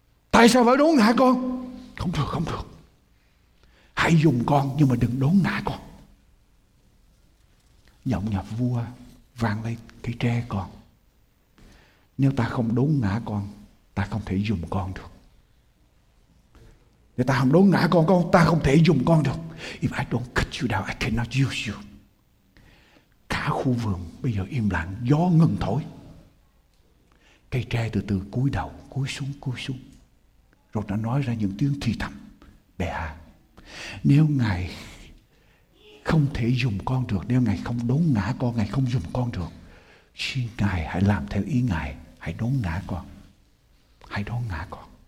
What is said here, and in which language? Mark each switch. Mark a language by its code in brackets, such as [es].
[vi] Tại sao phải đốn ngã con? Không được, không được. Hãy dùng con nhưng mà đừng đốn ngã con. Giọng nhà vua vang lên: cây tre con, nếu ta không đốn ngã con, ta không thể dùng con được. Nếu ta không đốn ngã con, ta không thể dùng con được. [en] If I don't cut you down, I cannot use you. [vi] Cả khu vườn bây giờ im lặng, gió ngừng thổi. Cây tre từ từ cúi đầu, cúi xuống, rồi đã nói ra những tiếng thì thầm: bệ hạ, nếu ngài không thể dùng con được, nếu ngài không đốn ngã con, ngài không dùng con được, xin ngài hãy làm theo ý ngài, hãy đốn ngã con, hãy đốn ngã con.